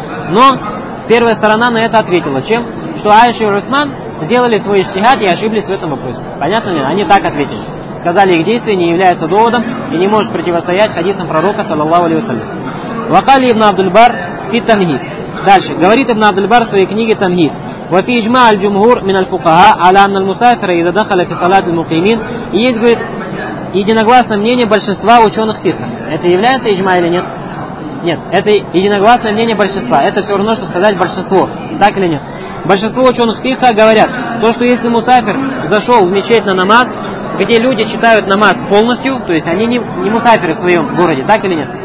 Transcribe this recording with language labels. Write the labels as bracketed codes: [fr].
[ru] Но первая сторона на это ответила. Чем? Что Аиша и Усман сделали свой иштихад и ошиблись в этом вопросе. Понятно ли? Они так ответили. Сказали, их действие не является доводом и не может противостоять хадисам пророка, саллаллаху алейхи ва саллям. [ar] Вакали ибн Абдульбар фи тамхид. [ru] Дальше. Говорит ибн Абдульбар в своей книге «Тамхид». [ar] وفي إجماع الجمهور من الفقهاء على أن المسافر إذا دخل في صلاة المقيمين [ru] есть, говорит, единогласное мнение большинства ученых фикха. Это является иджма или нет? Нет, это единогласное мнение большинства. Это все равно, что сказать большинство. Так или нет? Большинство ученых фикха говорят, то, что если мусафир зашел в мечеть на намаз, где люди читают намаз полностью, то есть они не мусафиры в своем городе, так или нет?